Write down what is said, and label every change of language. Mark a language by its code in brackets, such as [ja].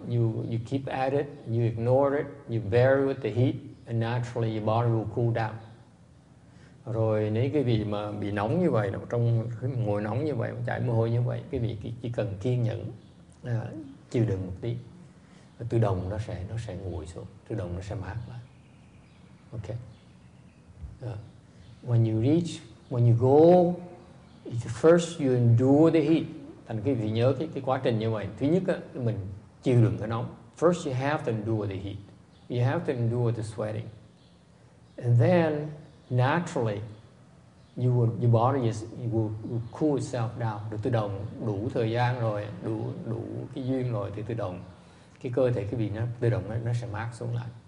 [en] You keep at it, you ignore it, you bear with the heat, and naturally your body will cool down. [vi] Rồi nếu cái vị mà bị nóng như vậy, trong ngồi nóng như vậy, chảy mồ hôi như vậy, cái vị chỉ cần kiên nhẫn, chịu đựng một tí, và tự động nó sẽ nguội xuống, tự động nó sẽ mát lại. Okay. [en] When you go, first you endure the heat. [vi] Thành cái vị nhớ cái quá trình như vậy. Thứ nhất á, mình chịu đựng cái nóng. [en] First you have to endure the heat. You have to endure the sweating. And then naturally, your body is will cool itself down. [vi] Được tự động đủ thời gian rồi, đủ cái duyên rồi thì tự động cái cơ thể cái vị nó tự động nó sẽ mát xuống lại.